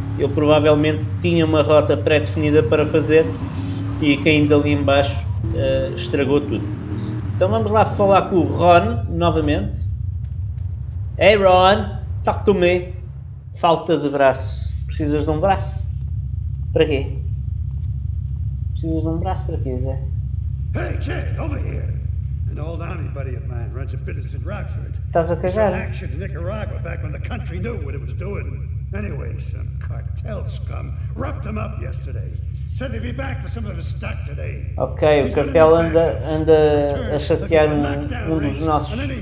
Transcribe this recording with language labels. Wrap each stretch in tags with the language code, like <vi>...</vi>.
<pt>Eu provavelmente tinha uma rota pré-definida para fazer e caindo ali embaixo estragou tudo. Então vamos lá falar com o Ron novamente.</pt> <en>Hey Ron, talk to me.</en> <pt>Falta de braço. Precisas de um braço? Para quê? Precisas de um braço para quê, Zé?</pt> <en>Hey Jack, over here! An old army buddy of mine runs a business in Rockford.</en> <pt>Estás a cagar?</pt> <en>He's in action in Nicaragua back when the country knew what it was doing. Anyway, some cartel scum roughed him up yesterday. Said they'd be back for some of his stock today.</en> <pt>Ok, o cartel anda a chatear um dos nossos.</pt>